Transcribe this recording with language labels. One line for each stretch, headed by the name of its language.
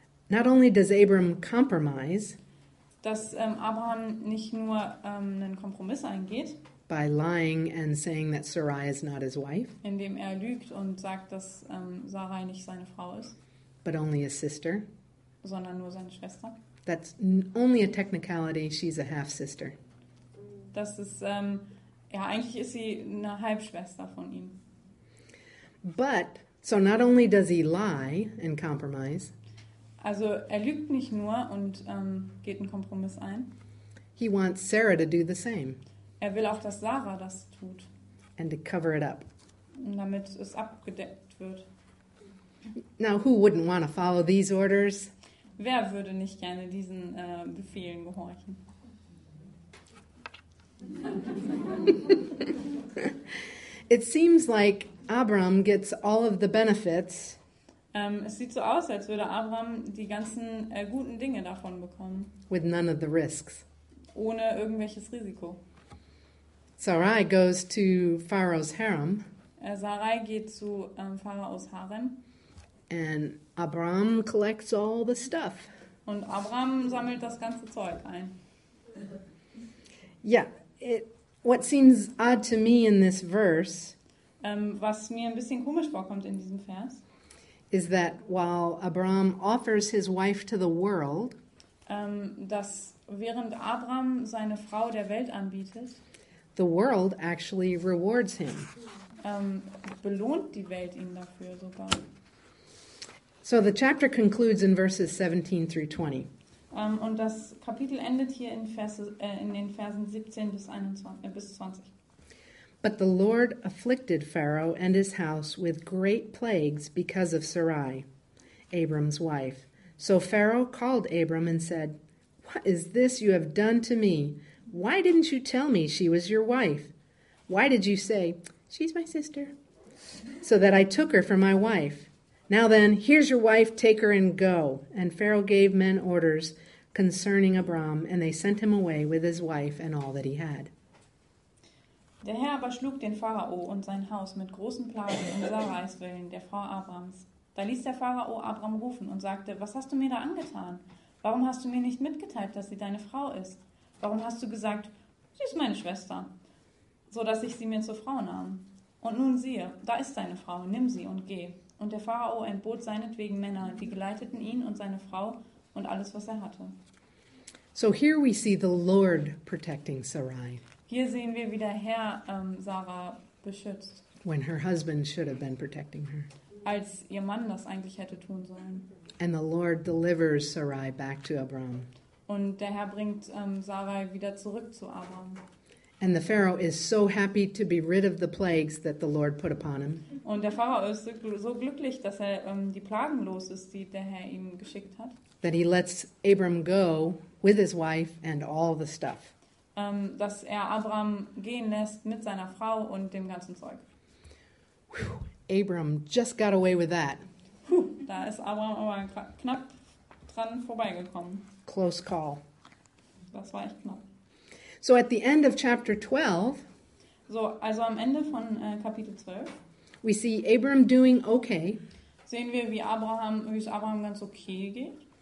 English: not only does Abram compromise,
German: dass Abraham nicht nur einen Kompromiss eingeht,
English: by lying and saying that Sarai is not his wife.
German: Indem er lügt und sagt, dass Sarai nicht seine Frau ist.
English: But only his sister.
German: Sondern nur seine Schwester.
English: That's only a technicality. She's a half sister.
German: Das ist ja eigentlich ist sie eine Halbschwester von ihm.
English: But so not only does he lie and compromise.
German: Also er lügt nicht nur und geht einen Kompromiss ein.
English: He wants Sarah to do the same.
German: Er will auch, dass Sarah das tut.
English: And to cover it up.
German: Damit es abgedeckt wird.
English: Now, who wouldn't want to follow these orders?
German: Wer würde nicht gerne diesen Befehlen gehorchen?
English: It seems like Abram gets all of the benefits.
German: Es sieht so aus, als würde Abram die ganzen guten Dinge davon bekommen.
English: With none of the risks.
German: Ohne irgendwelches Risiko.
English: Sarai goes to Pharaoh's harem.
German: Sarai geht zu Pharaos Harem.
English: And Abram collects all the stuff.
German: Und Abram sammelt das ganze Zeug ein.
English: Yeah, what seems odd to me in this verse,
German: was mir ein bisschen komisch vorkommt in diesem Vers,
English: is that while Abram offers his wife to the world,
German: dass während Abram seine Frau der Welt anbietet,
English: the world actually rewards him.
German: Belohnt die Welt ihn dafür sogar.
English: So the chapter concludes in verses 17 through 20.
German: Und das Kapitel endet hier in Verse, in den Versen 17 bis 21, bis 20.
English: But the Lord afflicted Pharaoh and his house with great plagues because of Sarai, Abram's wife. So Pharaoh called Abram and said, "What is this you have done to me? Why didn't you tell me she was your wife? Why did you say, 'She's my sister,' so that I took her for my wife? Now then, here's your wife, take her and go." And Pharaoh gave men orders concerning Abram, and they sent him away with his wife and all that he had.
German: Der Herr aber schlug den Pharao und sein Haus mit großen Plagen um Sarais willen, der Frau Abrams. Da ließ der Pharao Abram rufen und sagte: "Was hast du mir da angetan? Warum hast du mir nicht mitgeteilt, dass sie deine Frau ist? Warum hast du gesagt, sie ist meine Schwester, so dass ich sie mir zur Frau nahm? Und nun siehe, da ist deine Frau, nimm sie und geh." Und der Pharao entbot seinetwegen Männer, die geleiteten ihn und seine Frau und alles, was er hatte.
English: So here we see the Lord protecting Sarai.
German: Hier sehen wir, wie der Herr Sarah beschützt.
English: When her husband should have been protecting her.
German: Als ihr Mann das eigentlich hätte tun sollen.
English: And the Lord delivers Sarai back to Abram.
German: Und der Herr bringt Sarai wieder zurück zu Abram.
English: And the Pharaoh is so happy to be rid of the plagues that the Lord put upon him.
German: Und der Pharao ist so glücklich, dass er die Plagen los ist, die der Herr ihm geschickt hat.
English: That he lets Abram go with his wife and all the stuff.
German: Dass er Abram gehen lässt mit seiner Frau und dem ganzen Zeug.
English: Whew, Abram just got away with that.
German: Puh, da ist Abram aber knapp dran vorbeigekommen.
English: Close call.
German: Das war echt knapp.
English: So at the end of chapter 12,
German: so, also am Ende von Kapitel 12,
English: we see Abram doing okay.
German: Sehen wir, wie Abraham, wie es Abraham ganz okay geht.